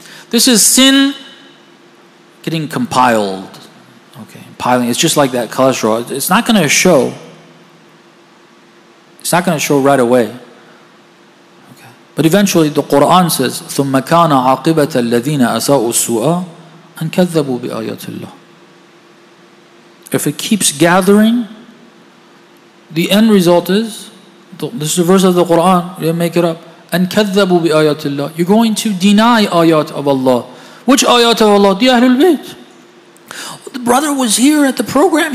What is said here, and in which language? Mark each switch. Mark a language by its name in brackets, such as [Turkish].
[English] This is sin getting compiled. Piling, it's just like that cholesterol. It's not going to show. It's not going to show right away. Okay. But eventually the Quran says, [Arabic] ثُمَّ كَانَ عَقِبَةَ الَّذِينَ أَسَاءُوا السُّؤَى أَنْ كَذَّبُوا بِآيَاتِ اللَّهِ. [English] If it keeps gathering, the end result is, this is a verse of the Quran, you didn't make it up, [Arabic] أَنْ كَذَّبُوا بِآيَاتِ اللَّهِ. [English] You're going to deny ayat of Allah. Which ayat of Allah? The Ahlul Bayt. The brother was here at the program.